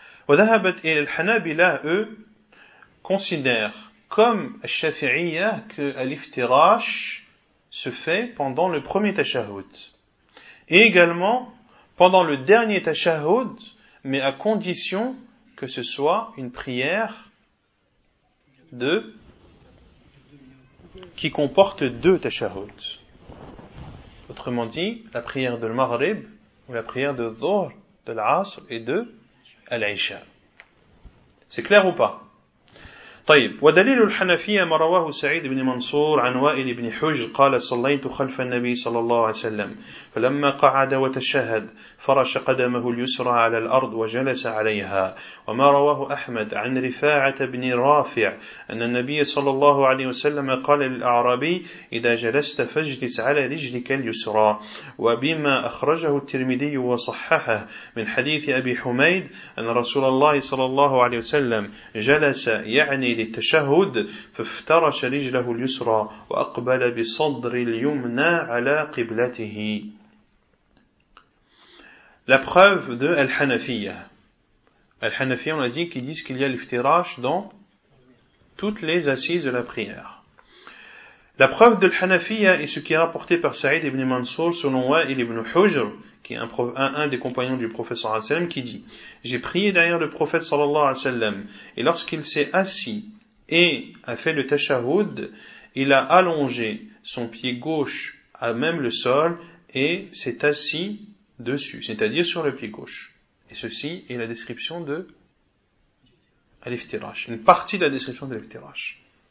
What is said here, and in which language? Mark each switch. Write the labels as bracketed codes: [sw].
[ar] وذهبت إلى الحنابلة [fr] eux considèrent comme الشافعيه que l'iftirash se fait pendant le premier tashahhud et également pendant le dernier tashahhud mais à condition que ce soit une prière de qui comporte deux tashahhud autrement dit la prière de l'maghrib ou la prière de dhuhr de l'asr et de العشاء. C'est clair ou pas? [ar] طيب ودليل الحنفية ما رواه سعيد بن منصور عن وائل بن حجر قال صليت خلف النبي صلى الله عليه وسلم فلما قعد وتشهد فرش قدمه اليسرى على الأرض وجلس عليها وما رواه أحمد عن رفاعة بن رافع أن النبي صلى الله عليه وسلم قال للأعرابي إذا جلست فاجلس على رجلك اليسرى وبما أخرجه الترمذي وصححه من حديث أبي حميد أن رسول الله صلى الله عليه وسلم جلس يعني للتشهد فافترش رجله اليسرى وأقبل بصدر اليمنى على قبلته. [fr] La preuve de Al-Hanafiyya. Al-Hanafiyya, on a dit qu'ils disent qu'il y a l'iftirash dans toutes les assises de la prière. La preuve de Al-Hanafiyya est ce qui est rapporté par Saïd ibn Mansour selon Wa'il ibn Hujr, qui est un des compagnons du prophète sallallahu alayhi wa sallam, qui dit « J'ai prié derrière le prophète sallallahu alayhi wa sallam, et lorsqu'il s'est assis et a fait le tashahhud, il a allongé son pied gauche à même le sol et s'est assis dessus, c'est-à-dire sur le pied gauche. » Et ceci est la description de l'iftirash, une partie de la description de l'iftirash.